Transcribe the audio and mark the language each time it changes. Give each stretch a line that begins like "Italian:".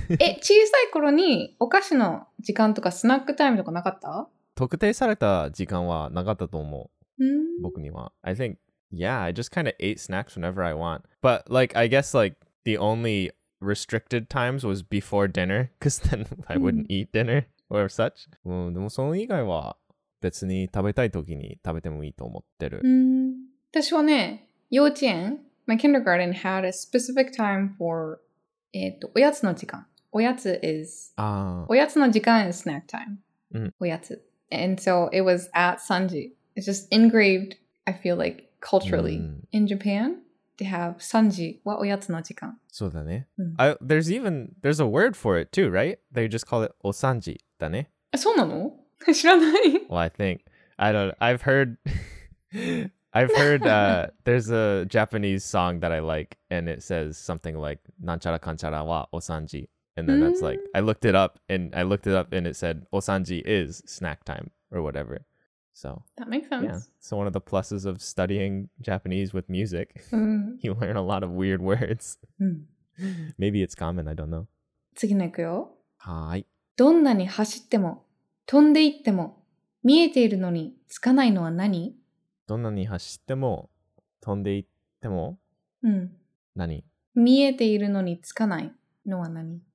Japanese: え、小さい頃にお菓子の時間とかスナックタイムとかなかった？特定された時間はなかったと思う。僕には。
English: I think, yeah, I just kind of ate snacks whenever I want. But, like, I guess, like, the only restricted times was before dinner, because then I wouldn't eat dinner or such.
Japanese: でもその以外は別に食べたい時に食べてもいいと思ってる。私はね、幼稚園、
English: my kindergarten had a specific time for... おやつの時間。おやつ is...
Japanese: おやつの時間
English: is snack time.、おやつ。 And so it was at sanji. It's just engraved, I feel like, culturally in Japan to have sanji
Japanese: はおやつの時間。そうだね。
English: There's a word for it too, right? They just call it お sanji だね。
Japanese: そうなの？知らない。
English: Well, I think... I don't know. I've heard... I've heard there's a Japanese song that I like, and it says something like, Nanchara Kanchara wa Osanji. And then that's like, I looked it up, and it said, Osanji is snack time, or whatever. So, that makes sense. Yeah. So, one of the pluses of studying Japanese with music, you learn a lot of weird words. Maybe it's common, I don't know.
Japanese: 次に行くよ。はい。どんなに走っても、飛んでいっても、見えているのにつかないのは何？どんなに走っても、飛んでいっても、何？見えているのにつかないのは何？